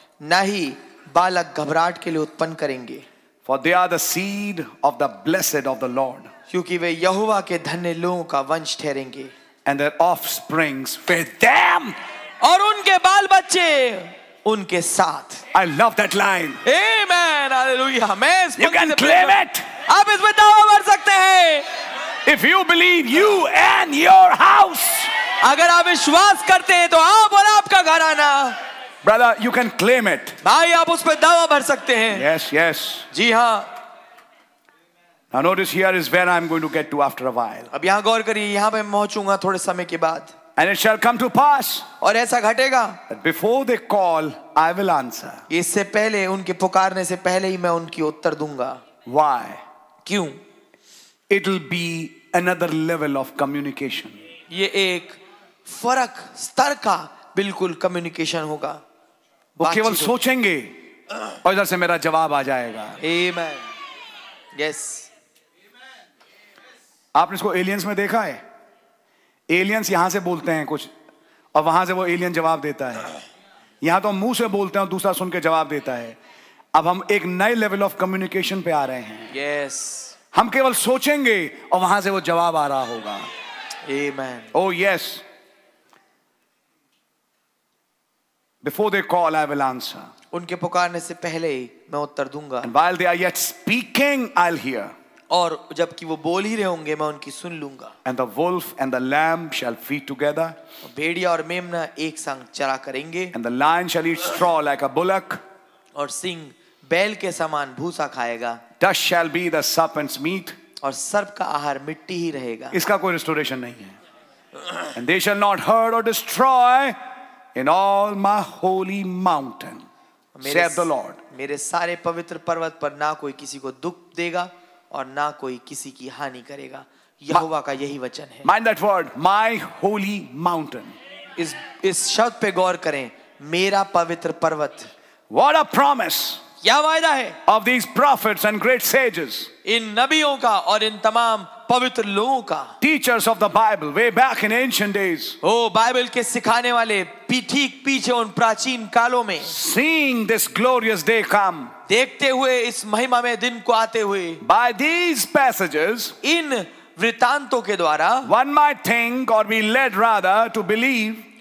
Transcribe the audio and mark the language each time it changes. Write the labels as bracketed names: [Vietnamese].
[Hindi] ना ही बालक घबराहट के लिए उत्पन्न करेंगे. [English] For they are the seed of the blessed of the Lord. [Hindi] क्योंकि वे यहोवा के धन्य लोगों का वंश ठहरेंगे. [English] and their offsprings with them. [Hindi] और उनके बाल बच्चे उनके साथ. [English] I love that line. Amen. Hallelujah. You can claim it. [Hindi] आप इसमें दावा कर सकते हैं. [English] If you believe, you and your house. [Hindi] अगर आप विश्वास करते हैं तो आप और आपका घराना. [English] Brother, you can claim it. [Hindi] भाई आप उसपे दावा भर सकते हैं. [English] Yes, yes. [Hindi] जी हाँ. [English] Now notice here is where I'm going to get to after a while. [Hindi] अब यहाँ गौर करिए यहाँ पे पहुँचूँगा थोड़े समय के बाद. [English] And it shall come to pass. [Hindi] और ऐसा घटेगा. [English] That before they call, I will answer. [Hindi] इससे पहले उनके पुकारने से पहले ही मैं उनकी उत्तर दूँगा. [English] Why? [Hindi] क्यों? [English] It'll be another level of communication. [Hindi] ये एक फरक स्तर का बिल्कुल कम्युनिकेशन होगा. वो केवल सोचेंगे और इधर से मेरा जवाब आ जाएगा. [English] Amen. Yes. [Hindi] आपने इसको एलियंस में देखा है. एलियंस यहां से बोलते हैं कुछ और वहां से वो एलियन जवाब देता है. यहां तो हम मुंह से बोलते हैं और दूसरा सुन के जवाब देता है. अब हम एक नए [English] level of communication [Hindi] पे आ रहे हैं. [English] Yes. [Hindi] हम केवल सोचेंगे और वहां से वो जवाब आ रहा होगा. [English] Amen. Oh yes. Before they call, I will answer. [Hindi] उनके पुकारने से पहले ही मैं उत्तर दूंगा. [English] And while they are yet speaking, I'll hear. [Hindi] और जबकि वो बोल ही रहे होंगे मैं उनकी सुन लूंगा. [English] And the wolf and the lamb shall feed together. [Hindi] भेड़िया और मेमना एक संग चरा करेंगे. [English] And the lion shall eat straw like a bullock. [Hindi] और सिंह बैल के समान भूसा खाएगा. [English] Dust shall be the serpent's meat. [Hindi] और सर्प का आहार मिट्टी ही रहेगा. इसका कोई रिस्टोरेशन नहीं है. [English] And they shall not hurt or destroy. In all my holy mountain, said the Lord. [Hindi] मेरे सारे पवित्र पर्वत पर ना कोई किसी को दुख देगा और ना कोई किसी की हानि करेगा. यहोवा का यही वचन है. [English] Mind that word, my holy mountain. [Hindi] इस शब्द पे गौर करें, मेरा पवित्र पर्वत. [English] What a promise! [Hindi] क्या वायदा है? [English] Of these prophets and great sages. [Hindi] इन नबियों का और इन तमाम पवित्र लोगों का. [English] Teachers of the Bible, way back in ancient days. [Hindi] Oh, Bible के सिखाने वाले ठीक पीछे उन प्राचीन कालों में. [English] Seeing this glorious day come. [Hindi] देखते हुए इस महिमा में दिन को आते हुए. [English] By these passages. [Hindi] इन वृतांतों के द्वारा. [English] One might think or be led rather to believe.